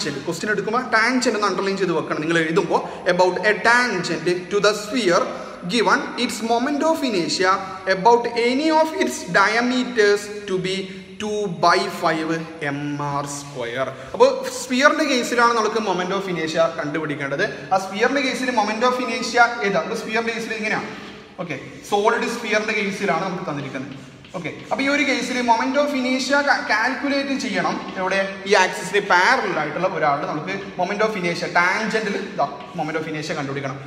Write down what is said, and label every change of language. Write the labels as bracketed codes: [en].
[ml] Question എടുക്കുമ്പോൾ tangent എന്ന് underline ചെയ്ത് വെക്കണം. നിങ്ങൾ എഴുതുമ്പോൾ [en] about a tangent to the sphere given its moment of inertia about any of its diameters to be 2/5 mr². [ml] അപ്പോൾ സ്ഫിയറിൻ്റെ കേസിലാണ് നമുക്ക് മൊമെന്റ് ഓഫ് ഇനേഷ്യ കണ്ടുപിടിക്കേണ്ടത്. ആ സ്ഫിയറിൻ്റെ കേസിൽ മൊമെന്റ് ഓഫ് ഇനേഷ്യ ഏതാ? അപ്പോൾ സ്ഫിയറിൻ്റെ കേസിൽ ഇങ്ങനെയാണ്. ഓക്കെ, സോളിഡ് സ്ഫിയറിന്റെ കേസിലാണ് നമുക്ക് തന്നിരിക്കുന്നത്. ഓക്കെ, അപ്പൊ ഈ ഒരു കേസിൽ മൊമെന്റ് ഓഫ് ഇനേഷ്യ കാൽക്കുലേറ്റ് ചെയ്യണം. ഇവിടെ ഈ ആക്സിസിന് പാരലൽ ആയിട്ടുള്ള ഒരാൾ നമുക്ക് മൊമെന്റ് ഓഫ് ഇനേഷ്യ ടാൻജന്റിൽ മൊമെന്റ് ഓഫ് ഇനേഷ്യ കണ്ടുപിടിക്കണം.